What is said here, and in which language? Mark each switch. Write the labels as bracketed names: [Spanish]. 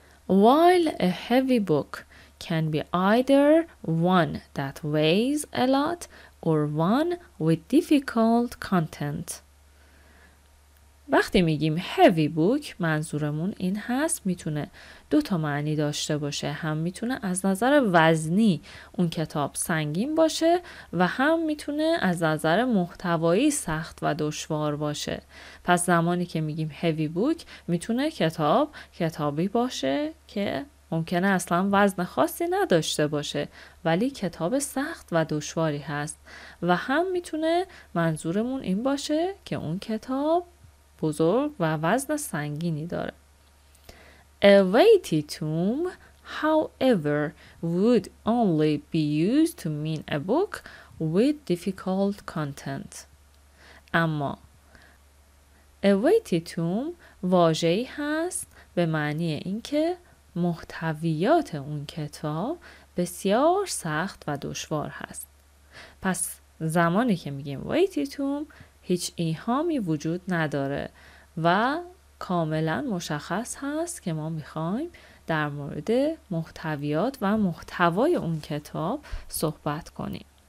[English] While a heavy book can be either one that weighs a lot or one with difficult content. [Persian] وقتی میگیم heavy book منظورمون این هست میتونه دو تا معنی داشته باشه، هم میتونه از نظر وزنی اون کتاب سنگین باشه و هم میتونه از نظر محتوایی سخت و دشوار باشه. پس زمانی که میگیم heavy book میتونه کتابی باشه که ممکنه اصلا وزن خاصی نداشته باشه ولی کتاب سخت و دشواری هست، و هم میتونه منظورمون این باشه که اون کتاب بزرگ و وزن سنگینی داره. [English] A weighty tome, however, would only be used to mean a book with difficult content. [Persian] اما A weighty tome واژه‌ای هست به معنی اینکه محتویات اون کتاب بسیار سخت و دشوار هست. پس زمانی که میگیم weighty tome هیچ ایهامی وجود نداره و کاملا مشخص هست که ما میخوایم در مورد محتویات و محتوای اون کتاب صحبت کنیم.